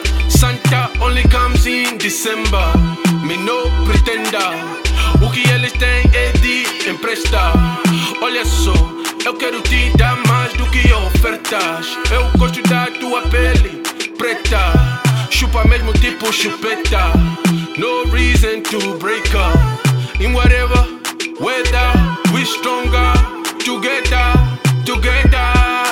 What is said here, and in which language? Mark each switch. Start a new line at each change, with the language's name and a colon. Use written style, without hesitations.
English: Santa only comes in December. Me no pretender.
Portuguese: O que eles têm é de emprestar. Olha só, eu quero te dar mais do que ofertas. Eu gosto da tua pele preta. Chupa mesmo tipo chupeta.
English: No reason to break up. In whatever weather, we stronger together, together.